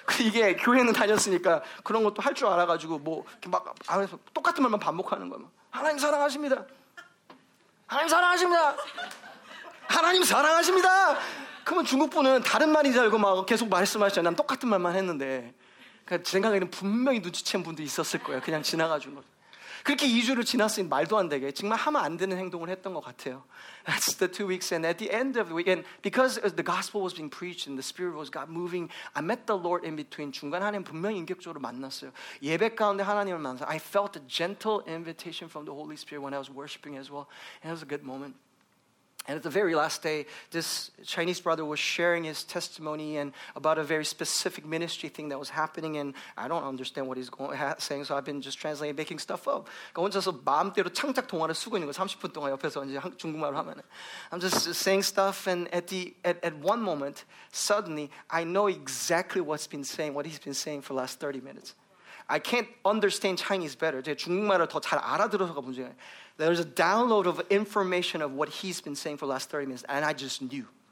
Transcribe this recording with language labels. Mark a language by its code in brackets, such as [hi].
[ko] 이게 교회는 다녔으니까 그런 것도 할 줄 알아가지고 뭐 막 안에서 똑같은 말만 반복하는 거예요. 하나님 사랑하십니다. 하나님 사랑하십니다. 하나님 사랑하십니다. 그러면 중국 분은 다른 말인 줄 알고 막 계속 말씀하시잖아요. 난 똑같은 말만 했는데. 그러니까 제 생각에는 분명히 눈치챈 분도 있었을 거예요. 그냥 지나가준 거죠. 그렇게 2주를 지났으니 말도 안 되게 정말 하면 안 되는 행동을 했던 것 같아요. [en] That's the 2 weeks and at the end of the week and because the gospel was being preached and the spirit was God moving I met the Lord in between [ko] 중간 하나님 분명히 인격적으로 만났어요. 예배 가운데 하나님을 만나서 [en] I felt a gentle invitation from the Holy Spirit when I was worshiping as well and it was a good moment. And at the very last day, this Chinese brother was sharing his testimony and about a very specific ministry thing that was happening. And I don't understand what he's saying, so I've been just translating, making stuff up. [ko] 혼자서 마음대로 창작 동화를 쓰고 있는 거예요. 30분 동안 옆에서 이제 중국말을 하면. [en] I'm just saying stuff, and at one moment, suddenly, I know exactly what he's been saying for the last 30 minutes. I can't understand Chinese better. [ko] 제가 중국말을 더 잘 알아들어서가 문제예요. [en] There's a download of information of what he's been saying for the last 30 minutes, and I just knew.